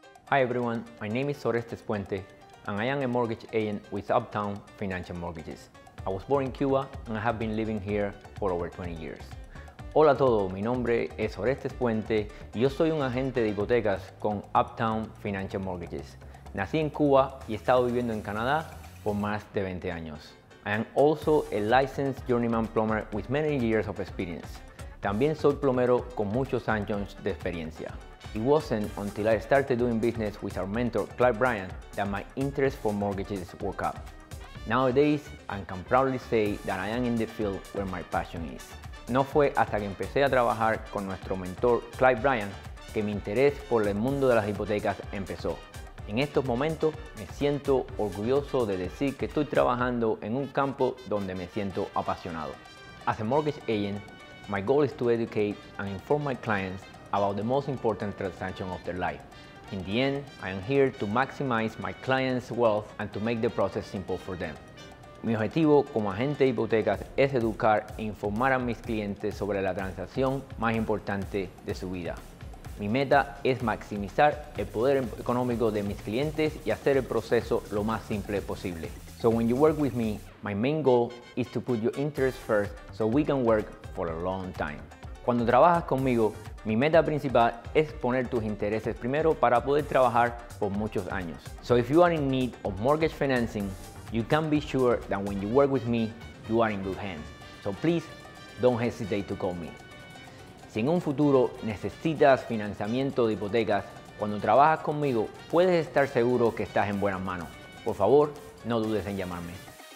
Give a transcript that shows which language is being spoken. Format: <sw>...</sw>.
<en>Hi everyone, my name is Orestes Puente and I am a mortgage agent with Uptown Financial Mortgages. I was born in Cuba and I have been living here for over 20 years.</en> <es>Hola a todos, mi nombre es Orestes Puente y yo soy un agente de hipotecas con Uptown Financial Mortgages. Nací en Cuba y he estado viviendo en Canadá por más de 20 años.</es> <en>I am also a licensed journeyman plumber with many years of experience.</en> <es>También soy plomero con muchos años de experiencia.</es> <en>It wasn't until I started doing business with our mentor, Clive Bryan, that my interest for mortgages woke up. Nowadays, I can proudly say that I am in the field where my passion is.</en> <es>No fue hasta que empecé a trabajar con nuestro mentor, Clive Bryan, que mi interés por el mundo de las hipotecas empezó. En estos momentos, me siento orgulloso de decir que estoy trabajando en un campo donde me siento apasionado.</es> <en>As a mortgage agent, my goal is to educate and inform my clients about the most important transaction of their life. In the end, I am here to maximize my clients' wealth and to make the process simple for them.</en> <es>Mi objetivo como agente de hipotecas es educar e informar a mis clientes sobre la transacción más importante de su vida. Mi meta es maximizar el poder económico de mis clientes y hacer el proceso lo más simple posible.</es> <en>So when you work with me, my main goal is to put your interest first so we can work for a long time.</en> <es>Cuando trabajas conmigo, mi meta principal es poner tus intereses primero para poder trabajar por muchos años.</es> <en>So if you are in need of mortgage financing, you can be sure that when you work with me, you are in good hands. So please, don't hesitate to call me.</en> <es>Si en un futuro necesitas financiamiento de hipotecas, cuando trabajas conmigo, puedes estar seguro que estás en buenas manos. Por favor, no dudes en llamarme.</es>